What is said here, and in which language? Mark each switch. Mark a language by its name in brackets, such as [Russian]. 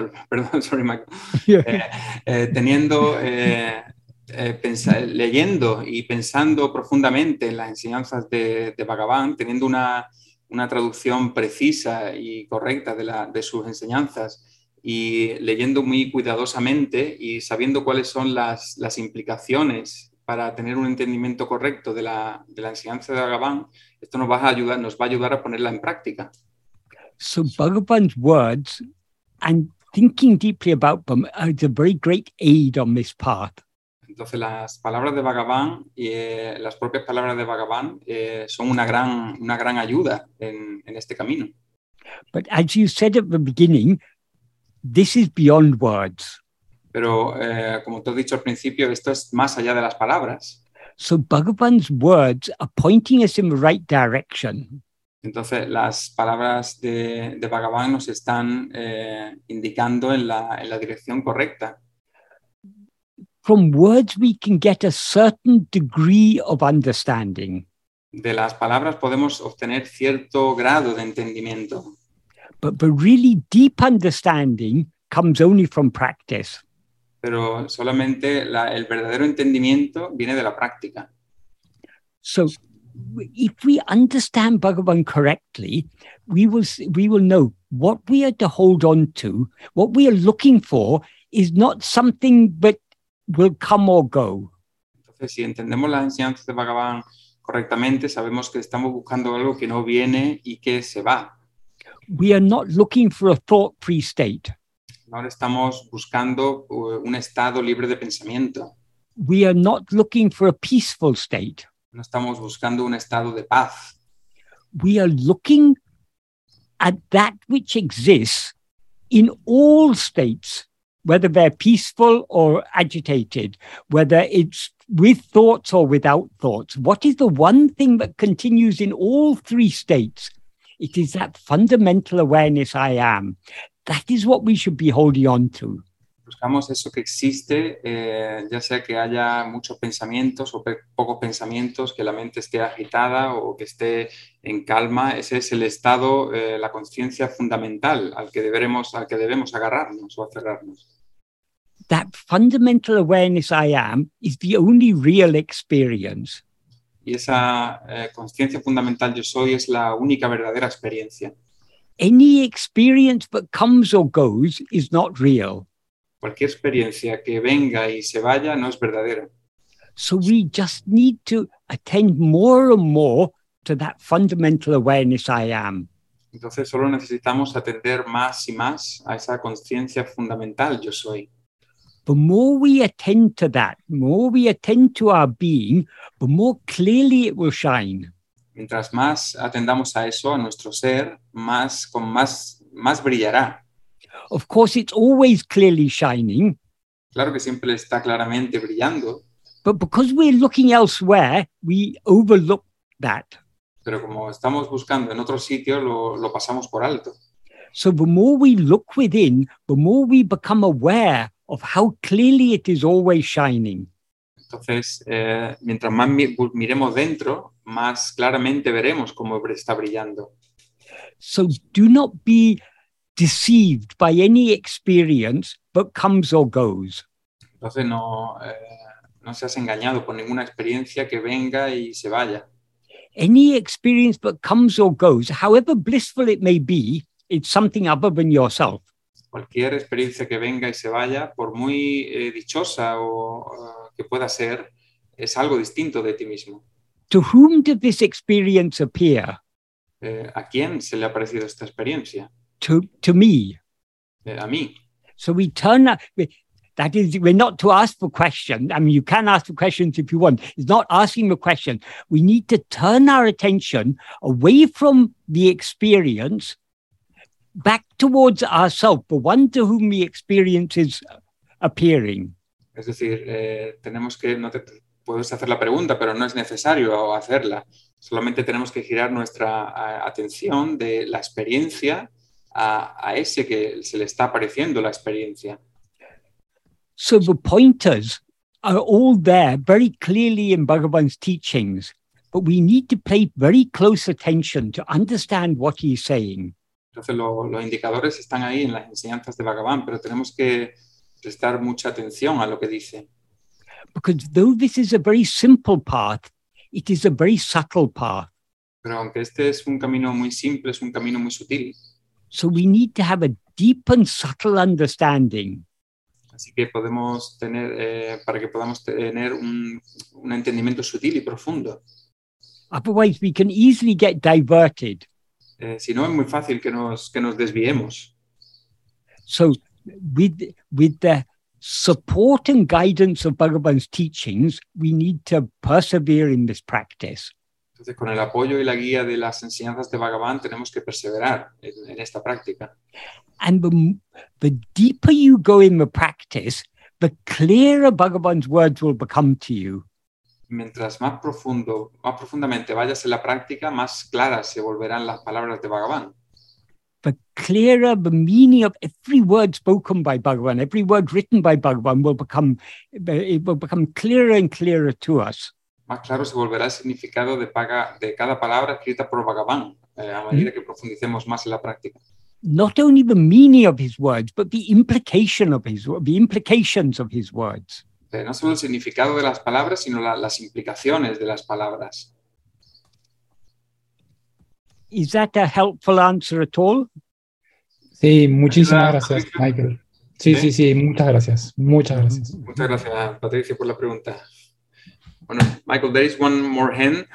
[Spanish] leyendo y pensando profundamente en las enseñanzas de Bhagavan, teniendo una traducción precisa y correcta de sus enseñanzas, y leyendo muy cuidadosamente y sabiendo cuáles son las implicaciones para tener un entendimiento correcto de la enseñanza de Bhagavan, esto nos va a ayudar a ponerla en práctica. [English] So Bhagavan's words and thinking deeply about them is a very great aid on this path. [Spanish] Entonces las palabras de Bhagavan y las propias palabras de Bhagavan son una gran ayuda en este camino. [English] But as you said at the beginning, this is beyond words. [Spanish] Pero como tú has dicho al principio, esto es más allá de las palabras. [English] So Bhagavan's words are pointing us in the right direction. [Spanish] Entonces las palabras de Bhagavan nos están indicando en la dirección correcta. [English] From words we can get a certain degree of understanding. [Spanish] De las palabras podemos obtener cierto grado de entendimiento. [English] But really deep understanding comes only from practice. [Spanish] Pero solamente el verdadero entendimiento viene de la práctica. [English] So if we understand Bhagavan correctly, we will know what we are to hold on to, what we are looking for is not something but will come or go. [Spanish] Entonces, si entendemos las enseñanzas de Bhagavan correctamente, sabemos que estamos buscando algo que no viene y que se va. [English] We are not looking for a thought-free state. [Spanish] No estamos buscando un estado libre de pensamiento. [English] We are not looking for a peaceful state. [Spanish] No estamos buscando un estado de paz. [English] We are looking at that which exists in all states, whether they're peaceful or agitated, whether it's with thoughts or without thoughts. What is the one thing that continues in all three states? It is that fundamental awareness I am. That is what we should be holding on to. [Spanish] Buscamos eso que existe, ya sea que haya muchos pensamientos o pocos pensamientos, que la mente esté agitada o que esté en calma. Ese es el estado, la conciencia fundamental al que debemos agarrarnos o aferrarnos. [English] That fundamental awareness I am is the only real experience. [Spanish] Y esa conciencia fundamental yo soy es la única verdadera experiencia. [English] Any experience that comes or goes is not real. [Spanish] Cualquier experiencia que venga y se vaya no es verdadera. [English] So we just need to attend more and more to that fundamental awareness I am. [Spanish] Entonces solo necesitamos atender más y más a esa conciencia fundamental yo soy. [English] The more we attend to that, the more we attend to our being, the more clearly it will shine. [Spanish] Mientras más atendamos a eso, a nuestro ser, más brillará. [English] Of course, it's always clearly shining. [Spanish] Claro que siempre está claramente brillando. [English] But because we're looking elsewhere, we overlook that. [Spanish] Pero como estamos buscando en otro sitio, lo pasamos por alto. [English] So the more we look within, the more we become aware of how clearly it is always shining. [Spanish] Entonces, mientras más miremos dentro, más claramente veremos cómo está brillando. [English] So do not be deceived by any experience that comes or goes. [Spanish] Entonces no seas engañado por ninguna experiencia que venga y se vaya. [English] Any experience that comes or goes, however blissful it may be, it's something other than yourself. [Spanish] Cualquier experiencia que venga y se vaya, por muy dichosa o que pueda ser, es algo distinto de ti mismo. [English] To whom did this experience appear? [Spanish] ¿A quién se le ha parecido esta experiencia? [English] To me. [Spanish] A mí. [English] So we turn up, that is, we're not to ask the question. I mean, you can ask the questions if you want. It's not asking the question. We need to turn our attention away from the experience back towards ourselves, the one to whom the experience is appearing. [Spanish] Es decir, tenemos que, no te puedes hacer la pregunta, pero no es necesario hacerla. Solamente tenemos que girar nuestra atención de la experiencia a ese que se le está apareciendo la experiencia. [English] So the pointers are all there very clearly in Bhagavan's teachings, but we need to pay very close attention to understand what he's saying. [Spanish] Entonces los indicadores están ahí en las enseñanzas de Bhagavan, pero tenemos que prestar mucha atención a lo que dice. [English] Because though this is a very simple path, it is a very subtle path. [Spanish] Pero aunque este es un camino muy simple, es un camino muy sutil. [English] So we need to have a deep and subtle understanding. [Spanish] Así que podemos tener, para que podamos tener un entendimiento sutil y profundo. [English] Otherwise we can easily get diverted. [Spanish] Si no, es muy fácil que nos desviemos. [English] So, with the support and guidance of Bhagavan's teachings, we need to persevere in this practice. [Spanish] Entonces, con el apoyo y la guía de las enseñanzas de Bhagavan, tenemos que perseverar en esta práctica. [English] And the deeper you go in the practice, the clearer Bhagavan's words will become to you. [Spanish] Mientras más profundamente vayas en la práctica, más claras se volverán las palabras de Bhagavan. [English] The clearer the meaning of every word spoken by Bhagavan, every word written by Bhagavan will become clearer and clearer to us. [Spanish] Más claro se volverá el significado de cada palabra escrita por Bhagavan, a medida que profundicemos más en la práctica. [English] Not only the meaning of his words, but the implications of his words. [Spanish] No solo el significado de las palabras, sino las implicaciones de las palabras. [English] Is that a helpful answer at all? [Spanish] Sí, muchísimas gracias, Michael. Sí, ¿eh? Sí, muchas gracias. Muchas gracias. Muchas gracias, Patricia, por la pregunta. Bueno, Michael, [English] there is one more hand.